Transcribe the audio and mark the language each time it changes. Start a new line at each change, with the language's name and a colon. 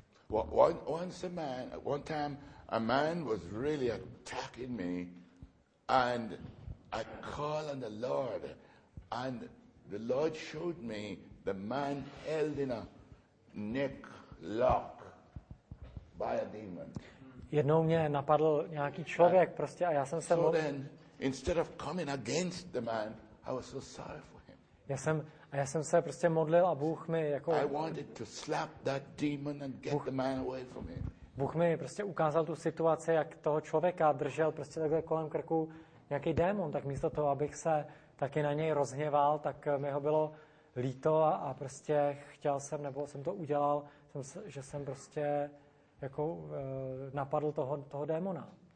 English: One time a man was really attacking me, and I called on the Lord, and the Lord showed me the man held in a neck lock by a demon.
Czech: Jednou mě napadl nějaký člověk prostě a já jsem se
English: so then, instead of coming against the man, I was so sorry for him.
Czech: Já jsem se prostě modlil a Bůh mi jako
English: I wanted to slap that demon and get the man away from him.
Czech: Bůh mi prostě ukázal tu situaci, jak toho člověka držel prostě takhle kolem krku nějaký démon, tak místo toho, abych se taky na něj rozhněval, tak mi ho bylo líto a prostě chtěl jsem, nebo jsem to udělal, že jsem prostě jako napadl toho démona.